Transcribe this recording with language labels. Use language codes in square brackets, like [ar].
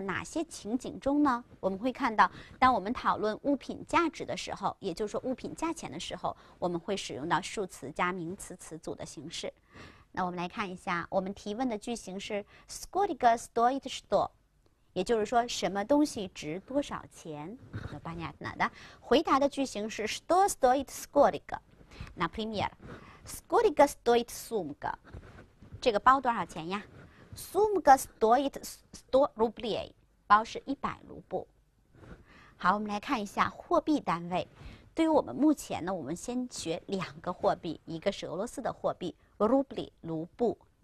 [zh] 哪些情景中呢？我们会看到，当我们讨论物品价值的时候，也就是说物品价钱的时候，我们会使用到数词加名词词组的形式。那我们来看一下，我们提问的句型是 [ru] сколько стоит что？ [zh] 也就是说，什么东西值多少钱？那巴尼亚纳的回答的句型是 [ru] что стоит сколько？那 premier сколько стоит сумка？ [zh] 这个包多少钱呀？ [ru] сумка стоит 100 рублей， [zh] 包是100卢布。好，我们来看一下货币单位。对于我们目前呢，我们先学两个货币，一个是俄罗斯的货币，рубли，卢布。